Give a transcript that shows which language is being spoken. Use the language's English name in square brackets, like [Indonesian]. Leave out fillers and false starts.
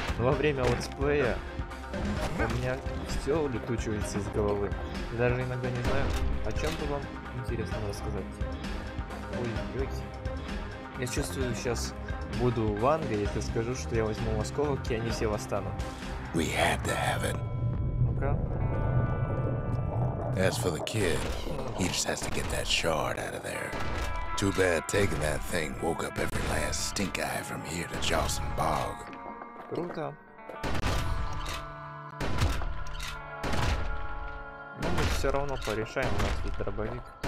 [Russian] Но во время летсплея у меня все улетучивается из головы. Я даже иногда не знаю, о чем бы вам интересно рассказать. Ой-ой. Я чувствую, сейчас буду в Англии, если скажу, что я возьму осколок, и они все восстанут. [English] We had to have it. As for the kid, he just has to get that shard out of there. Too bad taking that thing woke up every last stink eye from here to Jawson Bog. [Russian] Круто. Ну, мы все равно порешаем, у нас тут дробовик.